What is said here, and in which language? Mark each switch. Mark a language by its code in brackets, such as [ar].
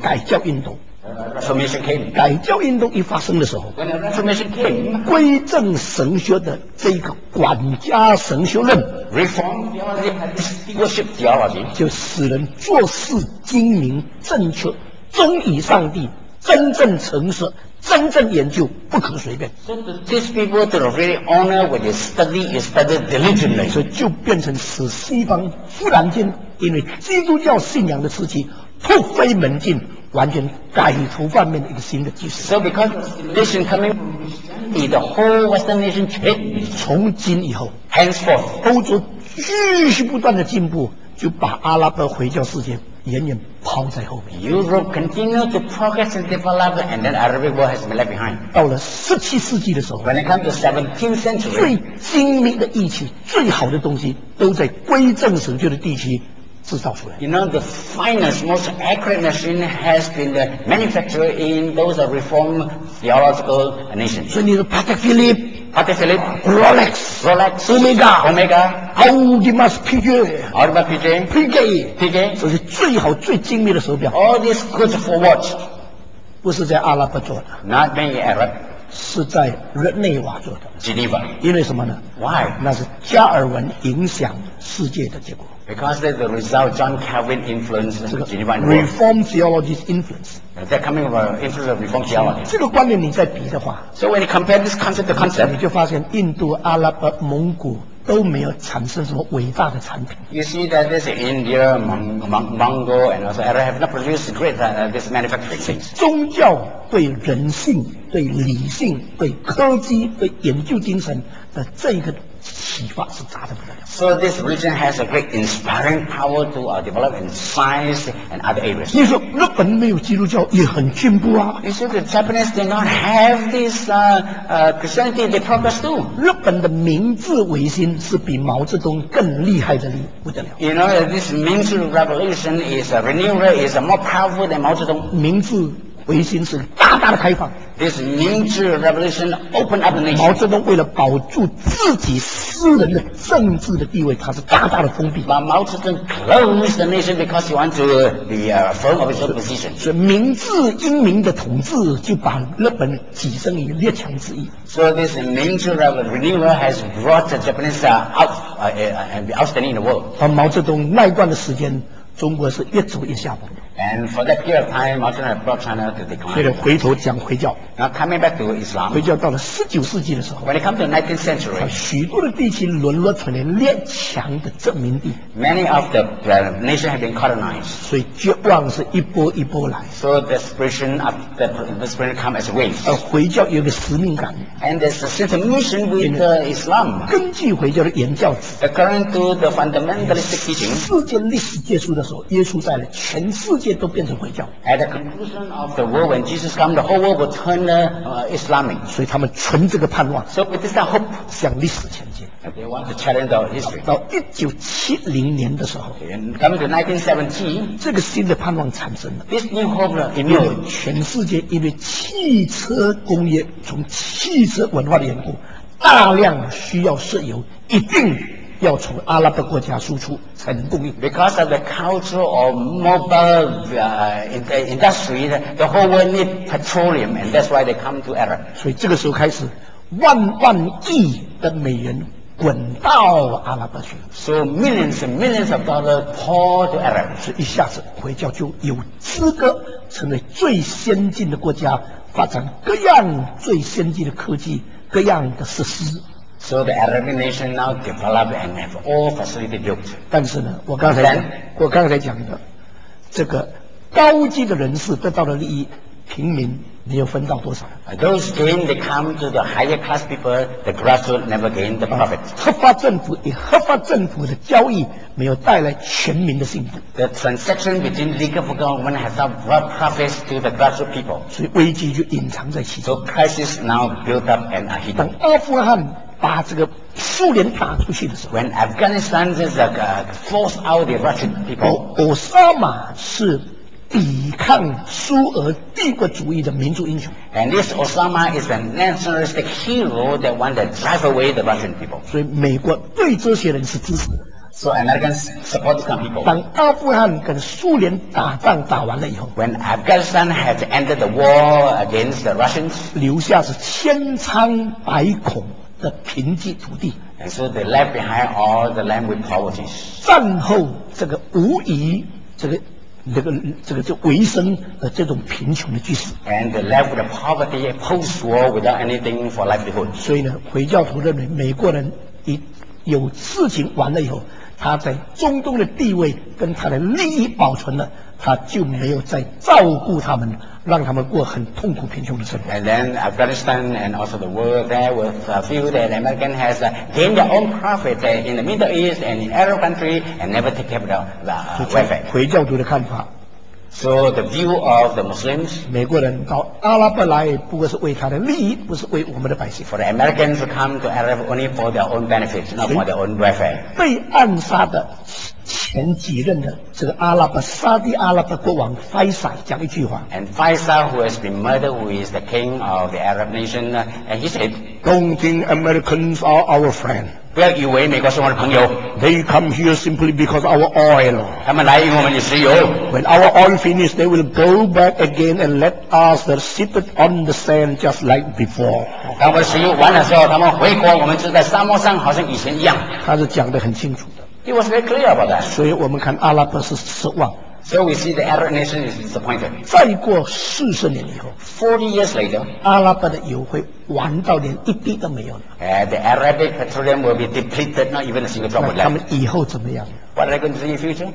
[zh] 改教运动。 [en] Reformation came. [zh] 改教运动一发生的时候 [en] ，When the Reformation came, [zh] 归正神学的这个管家神学论 [en] ，Reform theology had this stewardship theology, [zh] 就使人做事精明、正确、忠于上帝、真正诚实、真正研究，不可随便。 [en] So these people to really honor what you study diligently. [zh] 所以就变成使西方忽然间因为基督教信仰的刺激突飞猛进。完全改头换面的一个新的技术。 [en] So because the nation coming, the whole Western nation changed. [zh] 从今以后 [en] ，henceforth， [zh] 欧洲继续不断的进步，就把阿拉伯回教世界远远抛在后面。 [en] Europe continued to progress and develop, and then Arabic world has been left behind. [zh] 到了十七世纪的时候 [en] ，when it comes to 17th century， [zh] 最精密的仪器、最好的东西都在归正神学的地区。制造出来。 [en] You know the finest, most accurate machine has been manufactured in those reform theological nations. [zh] 所以你的 Patek Philippe, [en] Patek Philippe, Rolex, Rolex, Omega, Omega, Audemars Piguet, Audemars Piguet, Piguet, Piguet, [zh] 这是最好最精密的手表。 [en] All this good for watch, [zh] 不是在阿拉伯做的。 [en] Not made in Arab, [zh] 是在日内瓦做的。 [en] Geneva, [zh] 因为什么呢 [en] ？Why? [zh] 那是加尔文影响世界的结果。 [en] Because the result John Calvin influenced the Geneva world. Reform theology's influence. They're coming from the influence of Reform theology. [zh] 这个观点你再比的话 [en] So when you compare this concept to concept, [zh] 你就发现印度、阿拉伯、蒙古都没有产生什么伟大的产品。 [en] You see that this India, Mongol, and also Arab have not produced great this manufacturing things. [zh] 宗教对人性、对理性、对科技、对研究精神的这个启发是大的不得了。 [en] So this region has a great inspiring power to develop in science and other areas. [zh] 你说日本没有基督教也很进步啊。 [en] You said the Japanese did not have this Christianity, they progress too. [zh] 日本的明治维新是比毛泽东更厉害的不得了。 [en] You know this Minzu revolution is a renewal is a more powerful than 毛泽东。 [zh] 明治维新是大大的开放。 [en] This Minzu revolution opened up the nation. [zh] 毛泽东为了保住自己私人的政治的地位，他是大大的封闭。 [en] But 毛泽东 closed the nation because he wanted to be firm of his own position. [zh] 是明治英明的统治就把日本跻身于列强之一。 [en] So this Minzu revolution has brought the Japanese out and be outstanding in the world. [zh] 和毛泽东那一段的时间，中国是越走越下坡。 [en] And for that period of time, Mao Zedong brought China to decline. [zh] 所以回头讲回教。 [en] Now coming back to Islam. [zh] 回教到了十九世纪的时候。 [en] When it comes to the 19th century, [zh] 许多的地区沦落成了列强的殖民地。 [en] Many of the nation have been colonized. [zh] 所以绝望是一波一波来。 [en] So desperation of the desperation come as waves. [zh] 而回教有个使命感。 [en] And there's a certain mission with the Islam. [zh] 根据回教的言教旨。 [en] According to the fundamentalist teaching. [zh] 世界历史结束的时候，耶稣在了全世界。都变成回教。 [en] At the conclusion of the world, when Jesus comes, the whole world will turn Islamic. [zh] 所以他们存这个盼望。 [en] So with this hope, [zh] 向历史前进。 [en] They want to challenge the history. [zh] 到1970年的时候 [en] ，coming to 1970, [zh] 这个新的盼望产生了。 [en] This new hope emerged. [zh] 因为全世界因为汽车工业从汽车文化的缘故，大量需要石油，一定。要从阿拉伯国家输出才能供应。 [en] Because of the culture of mobile industry, the whole world need petroleum, and that's why they come to Arab. [zh] 所以这个时候开始，万万亿的美元滚到阿拉伯去。 [en] So millions and millions of dollars pour to Arab. [zh] 所以一下子回教就有资格成为最先进的国家，发展各样最先进的科技，各样的设施。 [en] So the Arab nation now develop and have all facility built. [zh] 但是呢，我刚才讲的，这个高级的人士得到的利益，平民没有分到多少。 [en] Those gain they come to the higher class people, the grassroots never gain the profit. [zh] 合法政府与合法政府的交易没有带来全民的幸福。 [en] The transaction between legal government has not brought profits to the grassroots people. [zh] 所以危机就隐藏在其中。 [en] So crisis now built up and are hidden. [zh] 阿富汗把这个苏联打出去的时候 [en] ，When Afghanistan is forced out the Russian people， [zh] 奥萨马是抵抗苏俄帝国主义的民族英雄 [en] ，And this Osama is a nationalistic hero that want to drive away the Russian people。 [zh] 所以美国对这些人是支持的 [en] ，So Americans support these people。 [zh] 当阿富汗跟苏联打仗打完了以后 [en] ，When Afghanistan has ended the war against the Russians， [zh] 留下是千疮百孔。的贫瘠土地 [en] ，and so they left behind all the land with poverty. [zh] 战后这个无疑这个维生的这种贫穷的巨石 [en] ，and they left with the poverty post war without anything for livelihood. [zh] 所以呢，回教徒认为美国人一有事情完了以后，他在中东的地位跟他的利益保存了，他就没有再照顾他们。让他们过很痛苦贫穷的生活。 [en] And then Afghanistan and also the world there was a feel that American has gained their own profit in the Middle East and in Arab country and never take care of the welfare. [zh] 回教徒的看法。 [en] So the view of the Muslims. [zh] 美国人到阿拉伯来不过是为他的利益，不是为我们的百姓。 [en] For the Americans to come to Arab only for their own benefits, not for their own welfare. [zh] 被暗杀的前几任的这个阿拉伯沙地阿拉伯国王 Faisal 讲一句话 [en] and Faisal who has been murdered who is the king of the Arab nation and he said don't think Americans are our friend [zh] 不要以为美国是我的朋友 [en] they come here simply because our oil [zh] 他们来因为我们的石油 [en] when our oil finished they will go back again and let us sit on the sand just like before [zh] 当我们石油完了之后他们回国我们就在沙漠上好像以前一样他是讲得很清楚 [en] He was very clear about that. [zh] 所以我们看阿拉伯是失望。 [en] So we see the Arab nation is disappointed. [zh] 再过四十年以后 [en] ，40 years later， [zh] 阿拉伯的油会完到连一滴都没有了。 [en] The Arabic petroleum will be depleted, not even a single drop left. [zh] 那他们以后怎么样 [en] ？What are they going to do in the future？